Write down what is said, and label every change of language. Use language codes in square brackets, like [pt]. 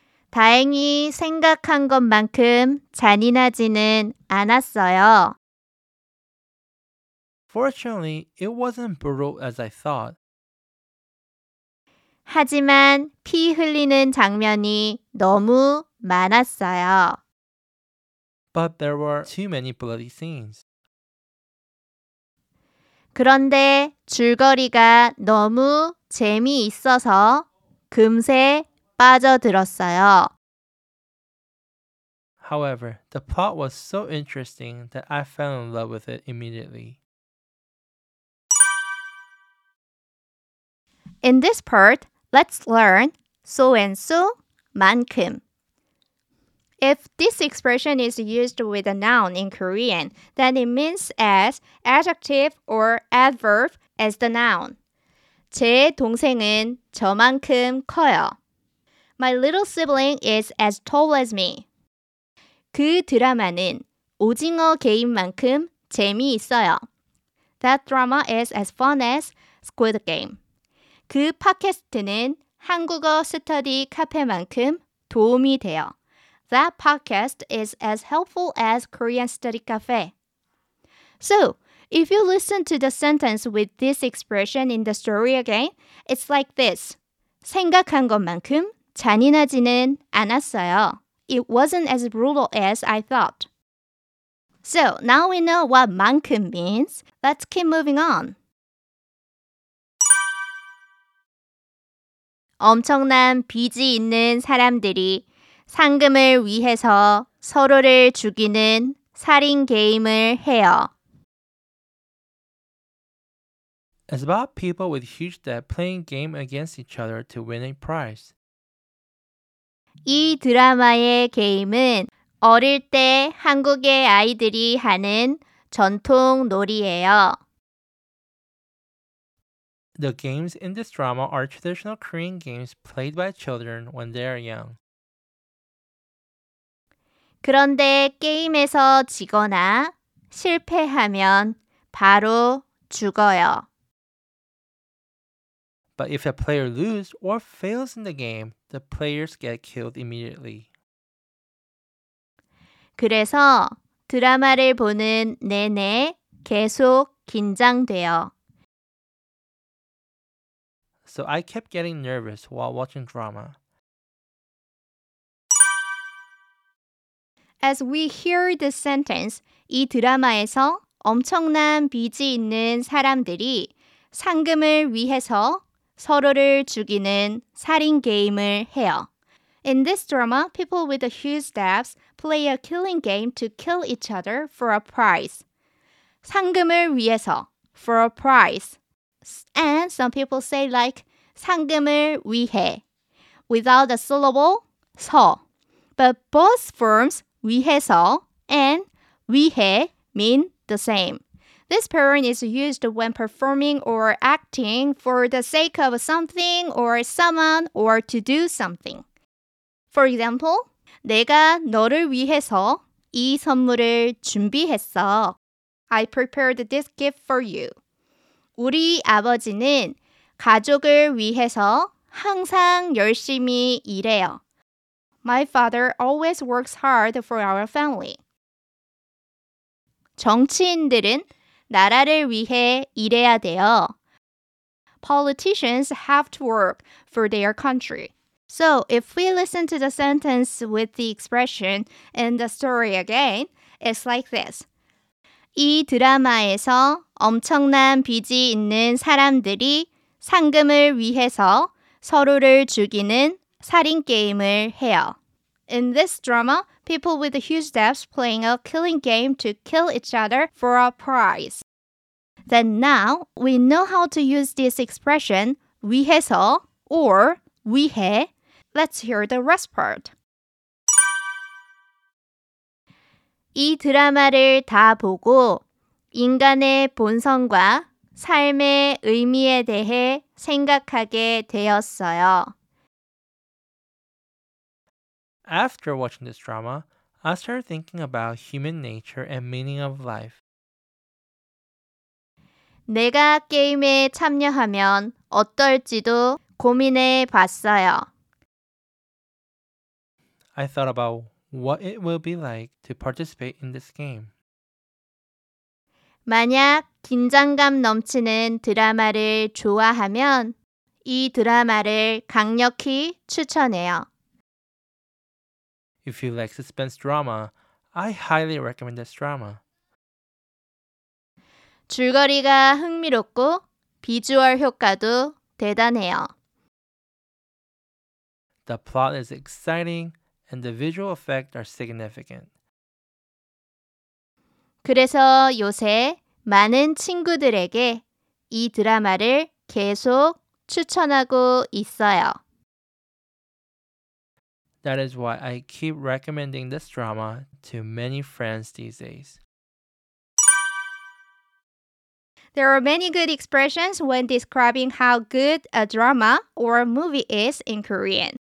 [ko] 다행히 생각한 것만큼 잔인하지는 않았어요. [en] Fortunately, it wasn't brutal as I thought. [ko] 하지만 피 흘리는 장면이 너무 많았어요. [en] But there were too many bloody scenes. [ko] 그런데 줄거리가 너무 재미있어서 금세 빠져들었어요. [en] However, the plot was so interesting that I fell in love with it immediately. In this part, let's learn so-and-so 만큼. If this expression is used with a noun in Korean, then it means as adjective or adverb as the noun. [ko] 제 동생은 저만큼 커요. [en] My little sibling is as tall as me. [ko] 그 드라마는 오징어 게임만큼 재미있어요. [en] That drama is as fun as Squid Game. [ko] 그 팟캐스트는 한국어 스터디 카페만큼 도움이 돼요. [en] That podcast is as helpful as Korean Study Cafe. So, if you listen to the sentence with this expression in the story again, it's like this. [ko] 생각한 것만큼 잔인하지는 않았어요. [en] It wasn't as brutal as I thought. So, now we know what 만큼 means. Let's keep moving on. [ko] 엄청난 빚이 있는 사람들이 상금을 위해서 서로를 죽이는 살인 게임을 해요. [en] It's about people with huge debt playing game against each other to win a prize. [ko] 이 드라마의 게임은 어릴 때 한국의 아이들이 하는 전통 놀이예요. [en] The games in this drama are traditional Korean games played by children when they are young. [ko] 그런데 게임에서 지거나 실패하면 바로 죽어요. [en] But if a player loses or fails in the game, the players get killed immediately. [ko] 그래서 드라마를 보는 내내 계속 긴장돼요. [en] So I kept getting nervous while watching drama. As we hear this sentence, [ko] 이 드라마에서 엄청난 빚이 있는 사람들이 상금을 위해서 서로를 죽이는 살인 게임을 해요. [en] In this drama, people with a huge debts play a killing game to kill each other for a prize. [ko] 상금을 위해서, [en] for a prize. And some people say like [ko] 상금을 위해, [en] without a syllable, 서. But both forms, 위해서 and 위해, mean the same. This pairing is used when performing or acting for the sake of something or someone or to do something. For example, [ko] 내가 너를 위해서 이 선물을 준비했어. [en] I prepared this gift for you. [ko] 우리 아버지는 가족을 위해서 항상 열심히 일해요. [en] My father always works hard for our family. [ko] 정치인들은 나라를 위해 일해야 돼요. [en] Politicians have to work for their country. So, if we listen to the sentence with the expression in the story again, it's like this. [ko] 이 드라마에서 엄청난 빚이 있는 사람들이 상금을 위해서 서로를 죽이는 살인 게임을 해요. [en] In this drama, people with huge debts playing a killing game to kill each other for a prize. Then now we know how to use this expression 위해서 or 위해. Let's hear the rest part. [ko] 이 드라마를 다 보고 인간의 본성과 삶의 의미에 대해 생각하게 되었어요. [en] After watching this drama, I started thinking about human nature and meaning of life. [ko] 내가 게임에 참여하면 어떨지도 고민해 봤어요. [en] I thought about what it will be like to participate in this game. [ko] 만약 긴장감 넘치는 드라마를 좋아하면 이 드라마를 강력히 추천해요. [en] If you like suspense drama, I highly recommend this drama. [ko] 줄거리가 흥미롭고 비주얼 효과도 대단해요. [en] The plot is exciting and the visual effects are significant. [ko] 그래서 요새 많은 친구들에게 이 드라마를 계속 추천하고 있어요. [en] That is why I keep recommending this drama to many friends these days. There are many good expressions when describing how good a drama or a movie is in Korean.